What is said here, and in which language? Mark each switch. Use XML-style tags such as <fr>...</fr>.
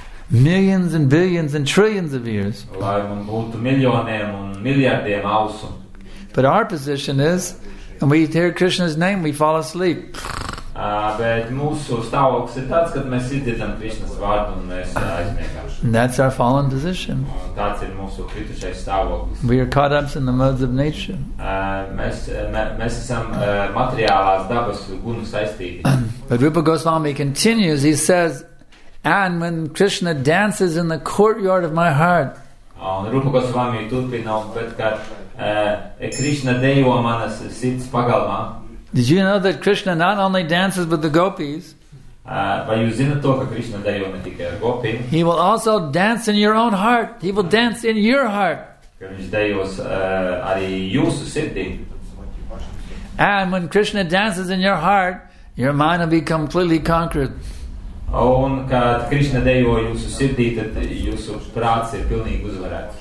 <en>Millions and billions and trillions of years.</en> <lv>Lai man būtu miljoniem un miljardiem ausu.</lv> <en>But our position is, and we hear Krishna's name, we fall asleep.</en> <lv>Bet mūsu stāvoklis ir tāds, kad mēs izdzirdam Krishnas vārdu un mēs aizmiegam.</lv> <en>That's our fallen position.</en> <lv>Tāds ir mūsu kritušais stāvoklis.</lv> <en>We are caught up in the modes of nature.</en> <lv>Mēs esam materiālās dabas gunu saistīti.</lv> <en>But Rupa Goswami continues, he says, and when Krishna dances in the courtyard of my heart,</en> <lv>Rupa Goswami turpina, bet kad Krishna dejo manas sirds pagalmā.</lv> <en>Did you know that Krishna not only dances with the gopis?</en> <lv>Vai jūs zinat to, ka Krishna dejo ne tikai ar gopi?</lv> <en>He will also dance in your own heart. He will dance in your heart.</en> <lv>Ka viņš dejos arī jūsu sirdī.</lv> <en>And when Krishna dances in your heart, your mind will be completely conquered.</en> <lv>Un kad Krishna dejo jūsu sirdī, tad jūsu prāts ir pilnīgi uzvarēts.</lv>